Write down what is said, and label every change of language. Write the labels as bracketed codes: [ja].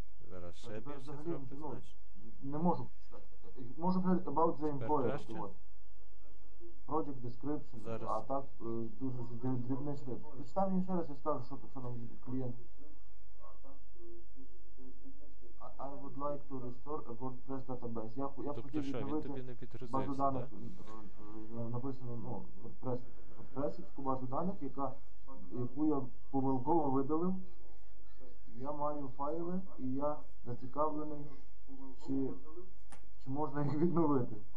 [uk] Зараз ще більше зробити, знаєш? Не можу. Можу писати [en] about the employer. Project description, [uk] зараз. А так дуже дрібний шрифт. Прочитай мені ще раз, я скажу, що нам клієнт. [en] I would like to restore a WordPress database. [uk] Я тобто хотів що, відновити він тобі не підгрузився, базу даних, написано, ну, WordPress-івську базу даних, яку я помилково видалив. Я маю файли, і я зацікавлений, чи можна їх відновити.